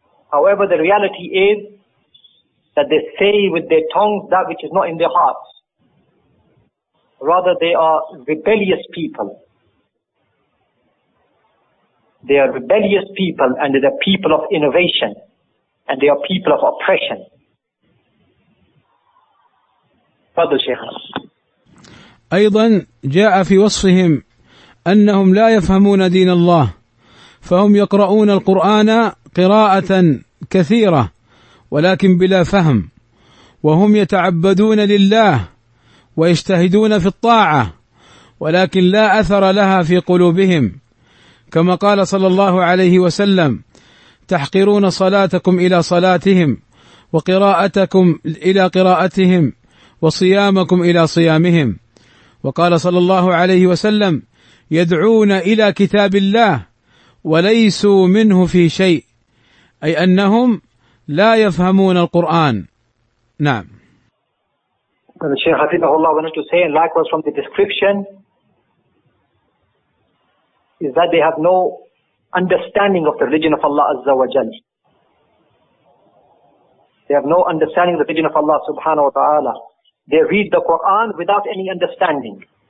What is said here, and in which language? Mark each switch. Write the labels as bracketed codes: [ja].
[en] However, the reality is that they say with their tongues that which is not in their hearts. Rather, they are rebellious people. They are rebellious people and they are people of innovation and they are people of oppression. [ar] أيضا جاء في وصفهم أنهم لا يفهمون دين الله، فهم يقرؤون القرآن قراءة كثيرة ولكن بلا فهم، وهم يتعبدون لله ويجتهدون في الطاعة ولكن لا أثر لها في قلوبهم، كما قال صلى الله عليه وسلم: تحقرون صلاتكم إلى صلاتهم وقراءتكم إلى قراءتهم وصيامكم إلى صيامهم. وقال صلى الله عليه وسلم: يدعون إلى كتاب الله وليسوا منه في شيء، أي أنهم لا يفهمون القرآن. نعم. [en] الشيخ حفظه الله wanted to say, and likewise from the description is that they have no understanding of the religion of Allah Azza wa Jal. They have no understanding of the religion of Allah Subhanahu wa Ta'ala. They read the Quran without any understanding.